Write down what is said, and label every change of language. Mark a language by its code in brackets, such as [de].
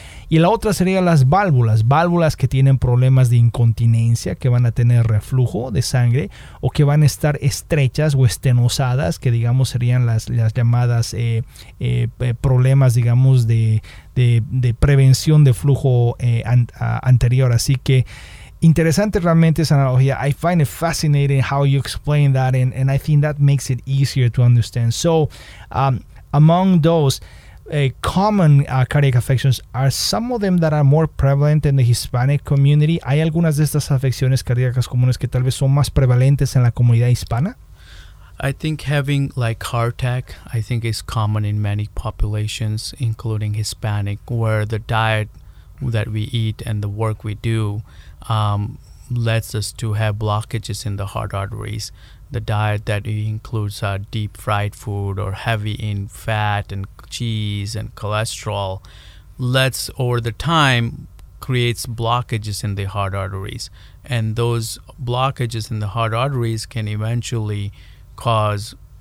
[es] Y la otra sería las válvulas, válvulas que tienen problemas de incontinencia, que van a tener reflujo de sangre o que van a estar estrechas o estenosadas, que digamos serían las llamadas problemas, digamos, de prevención de flujo anterior. Así que interesante realmente esa analogía. [en] I find it fascinating how you explain that, and I think that makes it easier to understand. So, among those common cardiac affections, are some of them that are more prevalent in the Hispanic community? [es] ¿Hay algunas de estas afecciones cardíacas comunes que tal vez son más prevalentes en la comunidad hispana? [en] I think having like heart attack, I think is common in many populations, including Hispanic, where the diet that we eat and the work we do leads us to have blockages in the heart arteries. The diet that includes deep fried food or heavy in fat and cheese and cholesterol lets over the time creates blockages in the heart arteries, and those blockages in the heart arteries can eventually cause